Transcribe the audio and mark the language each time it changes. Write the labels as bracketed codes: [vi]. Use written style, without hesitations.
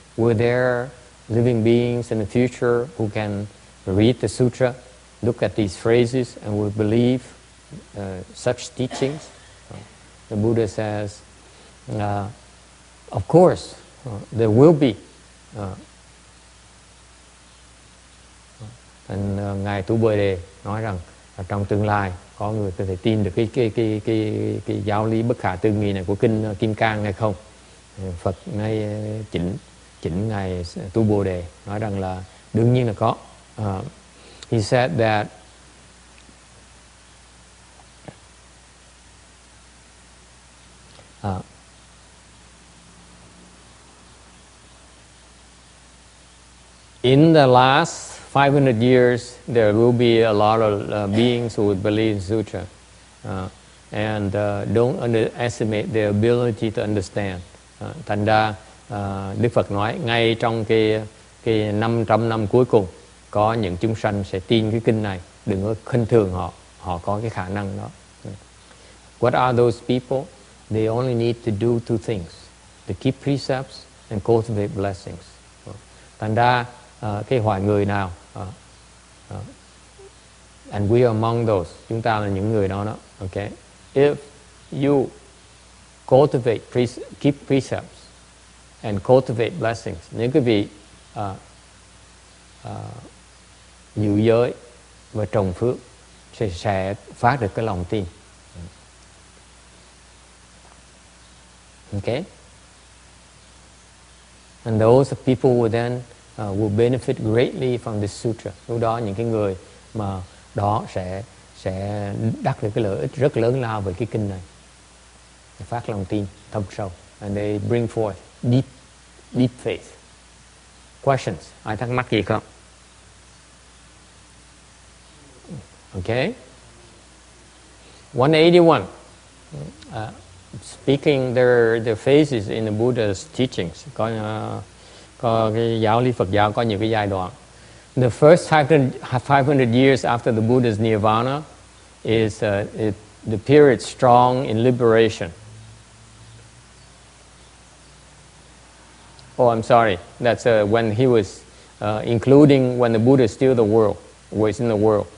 [en] Were there living beings in the future who can read the sutra, look at these phrases, and will believe such teachings? The Buddha says, of course, there will be. [vi] And Ngài Tu Bồ Đề nói rằng, trong tương lai có người có thể tin được cái giáo lý bất khả tư nghi này của kinh Kim Cang hay không. Phật ngay chỉnh ngài Tu Bồ Đề nói rằng là đương nhiên là có. [en] He said that in the last 500 years, there will be a lot of beings who would believe in sutra. Don't underestimate their ability to understand. [vi] Thành ra, Đức Phật nói, ngay trong cái 500 năm cuối cùng, có những chúng sanh sẽ tin cái kinh này. Đừng có khinh thường họ. Họ có cái khả năng đó. [en] What are those people? They only need to do two things. To keep precepts and cultivate blessings. [vi] Thành ra, cái hỏi người nào? [en] And we are among those. [vi] Chúng ta là những người đó đó. [en] Okay. If you cultivate, keep precepts and cultivate blessings. [vi] Nếu quý vị giữ giới và trồng phước sẽ phát được cái lòng tin. [en] Okay. And those people will then will benefit greatly from this sutra. [vi] Lúc đó những cái người mà đó sẽ đắc được cái lợi ích rất lớn lao về cái kinh này. Phát lòng tin thâm sâu. [en] And they bring forth deep faith. Questions? [vi] Ai thắc mắc gì không? [en] Okay. 181. Speaking their faces in the Buddha's teachings. [vi] Có cái giáo lý Phật giáo có nhiều cái giai đoạn. [en] The first 500 years after the Buddha's nirvana is the period strong in liberation. Oh, I'm sorry. That's when he was including when the Buddha still the world, was in the world.